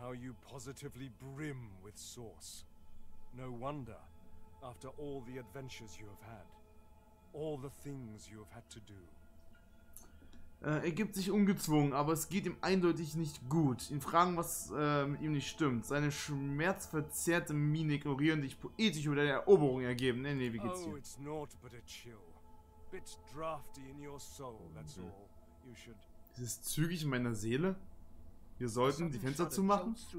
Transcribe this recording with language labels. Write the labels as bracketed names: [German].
[English] How you positively brim with sauce. No wonder, after all the adventures you have had. All the things you have had to do. [German] Er gibt sich ungezwungen, aber es geht ihm eindeutig nicht gut. Ihn fragen, was mit ihm nicht stimmt. Seine schmerzverzerrte Miene ignorieren dich poetisch über deine Eroberung ergeben. Nee, wie geht's dir? [English] Oh, it's not but a chill. Bit drafty in your soul, that's all. You should. [German] Ist es zügig in meiner Seele? Wir sollten die Fenster zumachen?